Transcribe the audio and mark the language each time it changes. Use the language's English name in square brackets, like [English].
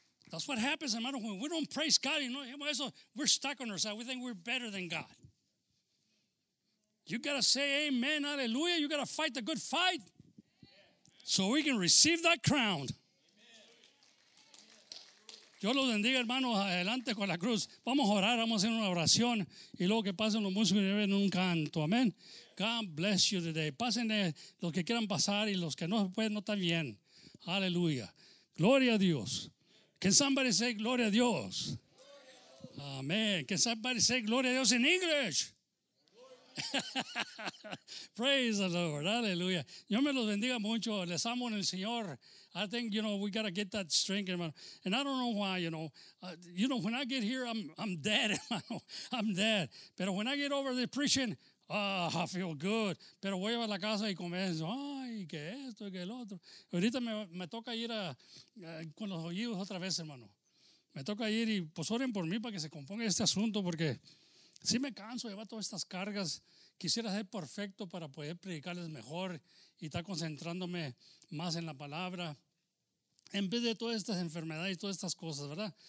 [English] That's what happens, hermano. When we don't praise God, you know, we're stuck on ourselves. We think we're better than God. You got to say amen, hallelujah. You got to fight the good fight so we can receive that crown. [Spanish] Yo los bendiga, hermanos, adelante con la cruz. Vamos a orar, vamos a hacer una oración y luego que pasen los músicos y lleven un canto, amén. [English] God bless you today. [Spanish] Pásenle los que quieran pasar y los que no pueden, no están bien. Aleluya. Gloria a Dios. [English] Can somebody say [Spanish] gloria a Dios? Amén. [English] Can somebody say [Spanish] gloria a Dios [English] in English? Praise the Lord, aleluya. [Spanish] Yo me los bendiga mucho, les amo en el Señor. [English] I think, you know, we got to get that strength, hermano. And I don't know why, you know, when I get here, I'm dead, hermano. I'm dead. Pero when I get over the preaching, I feel good. [Spanish] Pero voy a la casa y comienzo, ay, que esto y que el otro. Ahorita me toca ir con los oídos otra vez, hermano. Me toca ir y pues oren por mí para que se componga este asunto porque sí me canso, lleva todas estas cargas. Quisiera ser perfecto para poder predicarles mejor y estar concentrándome más en la palabra en vez de todas estas enfermedades y todas estas cosas, ¿verdad?